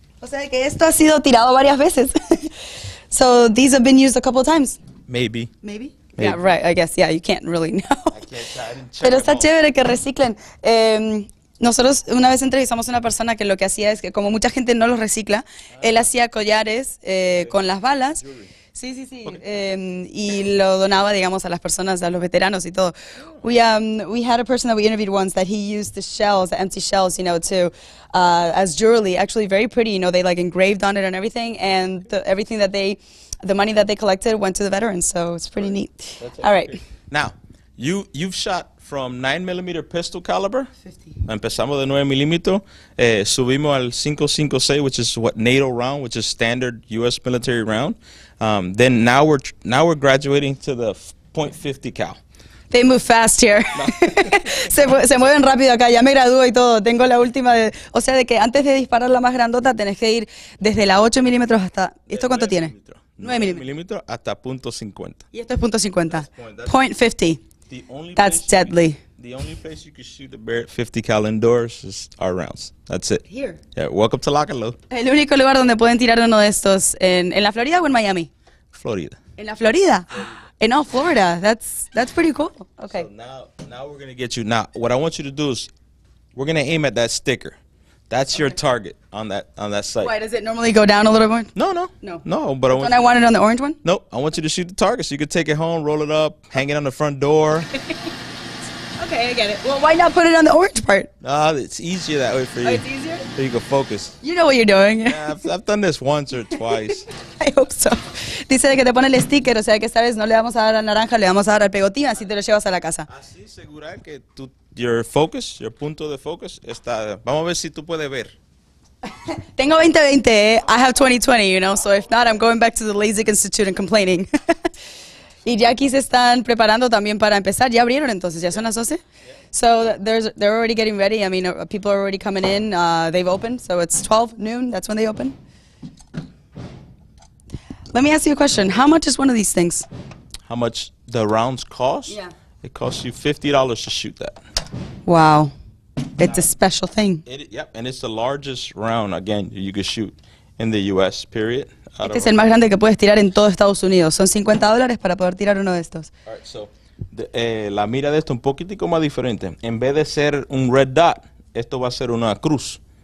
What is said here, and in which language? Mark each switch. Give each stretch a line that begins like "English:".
Spanish: O sea, que esto ha sido tirado varias veces.
English: So these have been used a couple of times? Maybe. Yeah, right, I guess. Yeah, you can't really know. I didn't check.
Spanish: Pero está chévere que reciclen. Nosotros una vez entrevistamos a una persona que lo que hacía es que, como mucha gente no los recicla, él hacía collares con las balas. Sí, sí, sí. Y lo donaba, digamos, a las personas, a los veteranos y todo.
English: We had a person that we interviewed once that he used the shells, the empty shells, you know, to as jewelry. Actually, very pretty, you know, they like engraved on it and everything. And the money that they collected went to the veterans. So it's pretty neat. All right. Now, you've shot from 9mm pistol caliber. 50.
Spanish: Empezamos de 9mm. Subimos al 5.56,
English: which is what NATO round, which is standard U.S. military round. Then now we're graduating to the 0.50 cal. They move fast here.
Spanish: Se mueven rápido acá. Ya me gradué y todo. Tengo la última. O sea, de que antes de disparar la más grandota, tenés que ir desde la 8mm hasta... ¿Esto cuánto tiene? 9mm hasta 0.50. Y esto es 0.50. 0.50.
English: That's deadly. The only place you can shoot the Barrett 50 cal indoors is our rounds. That's it. Here. Yeah, welcome to Lock and Load.
Spanish: El único lugar donde pueden tirar uno de estos en la Florida o en Miami? Florida. En la Florida.
English: In all Florida. That's pretty cool. Okay. So now we're going to get you. Now, what I want you to do is we're going to aim at that sticker. That's your target on that sight. Why, does it normally go down a little bit? No. But I want it on the orange one? Nope. I want you to shoot the target so you can take it home, roll it up, hang it on the front door. Okay, I get it. Well, why not put it on the orange part? It's easier that way for you. Oh, it's easier? So you can focus. You know what you're doing. Yeah, I've done this once or twice. I hope so.
Spanish: Dice que te pone el sticker, o sea que sabes, no le vamos a dar al naranja, le vamos a dar al pegotín, así te lo llevas a la casa. Así segura que tú...
English: Your focus,
Spanish: your punto de focus, está... Vamos a ver si tú puedes ver. Tengo 20-20,
English: I have 20-20, you know, so if not, I'm going back to the LASIK Institute and complaining.
Spanish: Y ya aquí se están preparando también para empezar. ¿Ya abrieron entonces? ¿Ya son las 12?
English: Yeah. So they're already getting ready. I mean, people are already coming in. They've opened, so it's 12 noon, that's when they open. Let me ask you a question. How much is one of these things? How much the rounds cost? Yeah. It costs you $50 to shoot that. Wow. It's a special thing. Yep, and it's the largest round, again, you can shoot in the U.S., period.
Spanish: Este es el más grande que puedes tirar en todo Estados Unidos. Son $50 para poder tirar uno de estos.
English: All right, so,
Spanish: la mira de esto un poquitico más diferente. En vez de ser un red dot, esto va a ser una cruz.